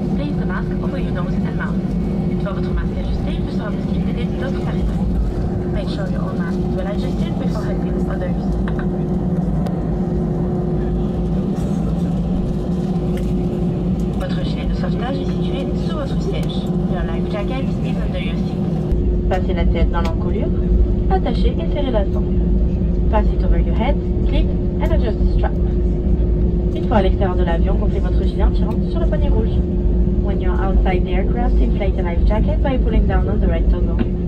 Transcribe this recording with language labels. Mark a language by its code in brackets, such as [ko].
[en] Place the mask over your nose and mouth. [fr] Une fois votre masque ajusté, il vous sera possible d'aider d'autres personnes. [en] Make sure your own mask is well adjusted before helping others. [fr] Votre gilet de sauvetage est situé sous votre siège. [en] Your life jacket is under your seat. [fr] Passez la tête dans l'encolure, attachez et serrez la sangle. [en] Pass it over your head, clip and adjust the strap. [fr] Une fois à l'extérieur de l'avion, gonflez votre gilet en tirant sur le poignet rouge. [en] When you're outside the aircraft, inflate the life jacket by pulling down on the red toggle.